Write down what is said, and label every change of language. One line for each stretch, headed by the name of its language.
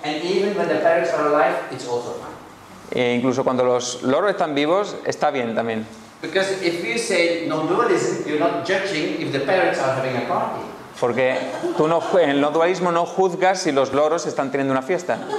English: And even when the parrots are alive, it's also fine.
Spanish: E incluso cuando los loros están vivos, está bien también.
English: Because if you say no dualism, you're not judging if the parrots are having a party.
Spanish: Porque tú no, en el dualismo no juzgas si los loros están teniendo una fiesta.